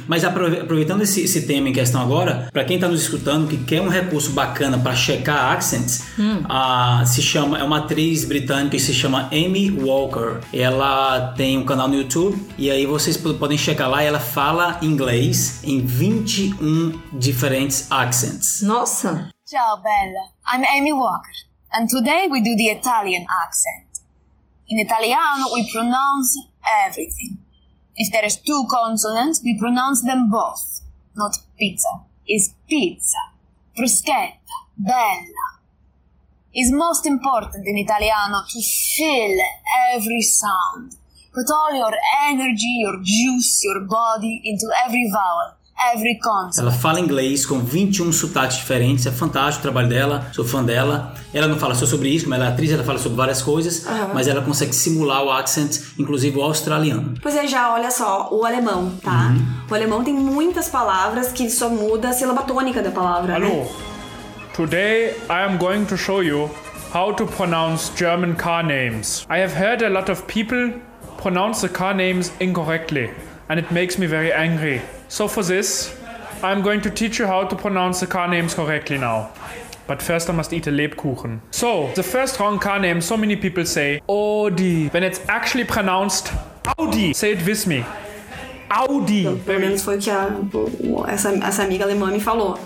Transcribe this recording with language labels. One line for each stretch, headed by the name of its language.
Portuguese: Mas aproveitando esse tema em questão agora, pra quem tá nos escutando, que quer um recurso bacana pra checar accents, é uma atriz britânica que se chama Amy Walker. Ela tem um canal no YouTube, e aí vocês podem checar lá, e ela fala inglês em 21 diferentes accents. Nossa!
Italian: Ciao, bella.
English: I'm Amy Walker. And today we do the Italian accent. In Italiano, we pronounce everything. If there is two consonants, we pronounce them both. Not pizza. It's pizza. Bruschetta. Bella. It's most important in Italiano to feel every sound. Put all your energy, your juice, your body into every vowel. Every concert.
Portuguese: Ela fala inglês com 21 sotaques diferentes. É fantástico o trabalho dela, sou fã dela. Ela não fala só sobre isso, mas ela é atriz, ela fala sobre várias coisas, mas ela consegue simular o accent, inclusive o australiano. Pois é, já olha só, o alemão, tá? O alemão tem muitas palavras que só muda a sílaba tônica da palavra.
English: Hello. Né? Today I am going to show you how to pronounce German car names. I have heard a lot of people pronounce the car names incorrectly, and it makes me very angry. So for this, I'm going to teach you how to pronounce the car names correctly now. But first I must eat a Lebkuchen. So, the first wrong car name, so many people say Audi. When it's actually pronounced Audi. Say it with me. Audi.
Portuguese: Então, pelo menos foi o que essa amiga alemã me falou.